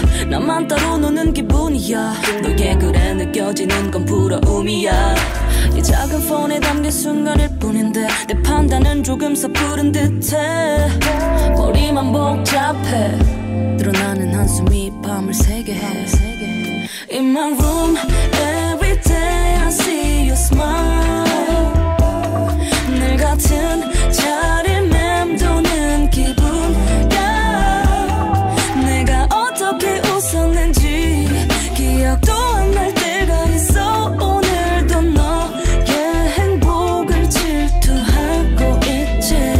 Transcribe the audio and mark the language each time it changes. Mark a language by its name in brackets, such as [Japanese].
[Korean] 나만 따로 노는 기분이야. 너게 그래 느껴지는 건 부러움이야. 이 작은 폰에 담긴 순간일 뿐인데 내 판단은 조금 서푸른 듯해. 머리만 복잡해. 늘어나는 한숨이 밤을 새게 해. [English] In my room every day I see you smile. [Korean] 늘 같은 자리 맴도는 기분. 야, 내가 어떻게 웃었는지 기억도 안 날 때가 있어. 오늘도 너의 행복을 질투하고 있지.